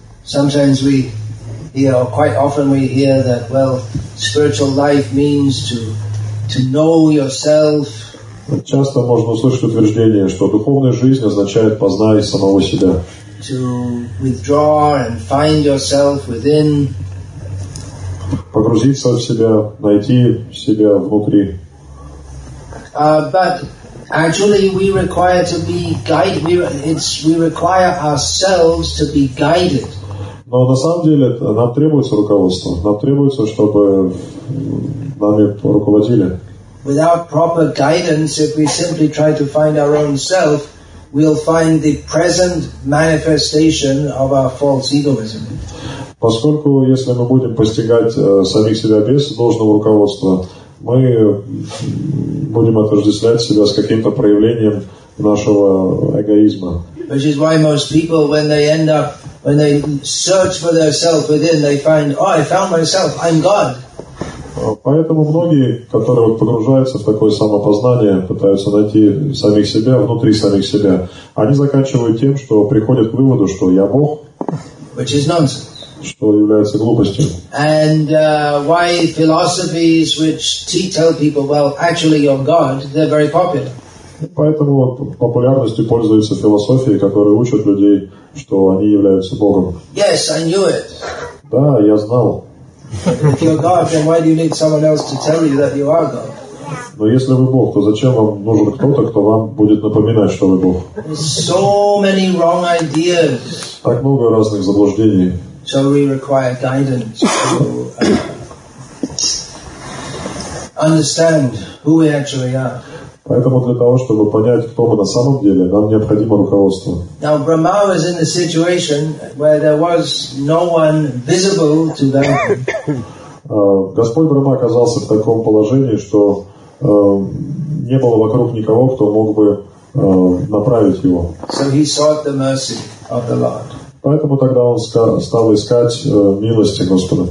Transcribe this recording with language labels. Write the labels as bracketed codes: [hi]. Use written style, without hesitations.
[en] Sometimes we hear, or quite often we hear that, well, spiritual life means to know yourself. [ru] Часто можно услышать утверждение, что духовная жизнь означает познать самого себя. [en] To withdraw and find yourself within. [ru] Погрузиться в себя, найти себя внутри. [en] But actually we require to be guided. We require ourselves to be guided. [ru] Но на самом деле нам требуется руководство. Нам требуется, чтобы нами руководили. [en] Without proper guidance, if we simply try to find our own self, we'll find the present manifestation of our false egoism. [ru] Поскольку если мы будем постигать самих себя без должного руководства, мы будем отождествлять себя с каким-то проявлением нашего эгоизма. [en] Which is why most people, when they end up, when they search for their self within, they find, oh, I found myself, I'm God. [ru] Поэтому многие, которые вот погружаются в такое самопознание, пытаются найти самих себя, внутри самих себя, они заканчивают тем, что приходят к выводу, что я Бог. [en] Which is nonsense. [ru] Что является глупостью. [en] And why philosophies which tell people, well, actually you're God, they're very popular. [ru] Поэтому популярностью пользуются философии, которые учат людей, что они являются Богом. [en] Yes, I knew it. [ru] Да, я знал. [en] If you're God, then why do you need someone else to tell you that you are God? [ru] Но если вы Бог, то зачем вам нужен кто-то, кто вам будет напоминать, что вы Бог? [en] So many wrong ideas. [ru] Так много разных заблуждений. [en] So we require guidance to understand who we actually are. [ru] Поэтому для того, чтобы понять, кто мы на самом деле, нам необходимо руководство. [en] Now Brahma was in a situation where there was no one visible to them. [ru] Господь Брахма оказался в таком положении, что не было вокруг никого, кто мог бы направить его. [en] So he sought the mercy of the Lord. [ru] Поэтому тогда он стал искать милости Господа.